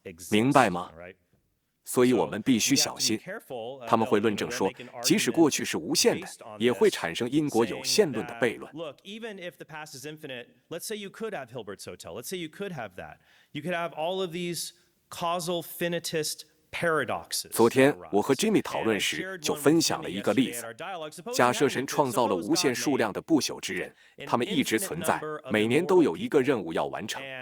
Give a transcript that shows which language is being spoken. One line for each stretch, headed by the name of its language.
Chinese: 明白吗？所以我们必须小心。他们会论证说，即使过去是无限的，也会产生因果有限论的悖论。
English: Look, even if the past is infinite, let's say you could have Hilbert's Hotel. Let's say you could have that. You could have all of these causal finitist paradoxes.
Chinese: 昨天我和 Jimmy 讨论时就分享了一个例子：假设神创造了无限数量的不朽之人，他们一直存在，每年都有一个任务要完成。